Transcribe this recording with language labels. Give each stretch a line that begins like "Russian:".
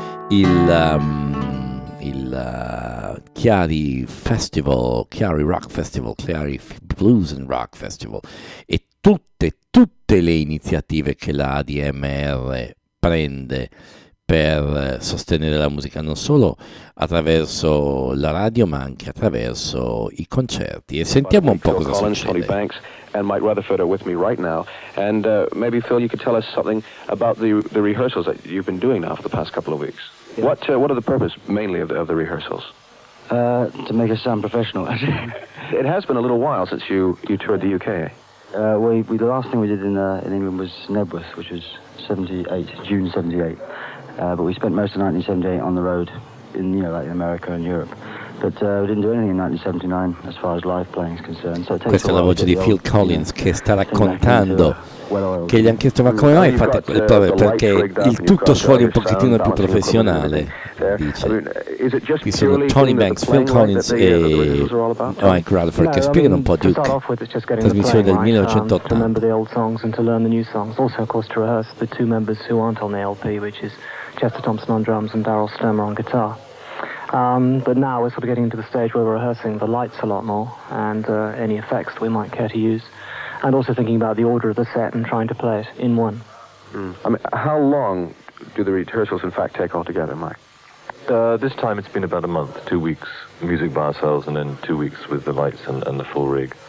Italian: Chiari Blues and Rock Festival e tutte le iniziative che la ADMR prende per sostenere la musica non solo attraverso la radio ma anche attraverso i concerti. E sentiamo un po' cosa succede.
English: Tony Banks and Mike Rutherford are with me right now, and maybe Phil, you could tell us something about the rehearsals that you've been doing now for the past couple of weeks. Yeah. What are the purpose mainly of the rehearsals? To make us sound professional, actually. It has been a little while since you toured the UK. We the last thing we did in England was Nebworth, which was June '78. But we spent most of 1978 on the road, in America and Europe. But we didn't do anything in 1979 as far as live playing is concerned. So
Italian: questa è la voce di Phil Collins che sta raccontando. Che gli hanno chiesto ma come mai fate perché il tutto suoni un pochettino più professionale, dice. Qui sono Tony Banks, Phil Collins e Mike Rutherford che spiegano un po' di trasmissione del 1980.
English: But now we're sort of getting into the stage where we're rehearsing the lights a lot more and any effects we might care to use. And also thinking about the order of the set and trying to play it in one. Mm. I mean, how long do the rehearsals, in fact, take altogether, Mike? This time it's been about a month, 2 weeks music by ourselves and then 2 weeks with the lights and the full rig.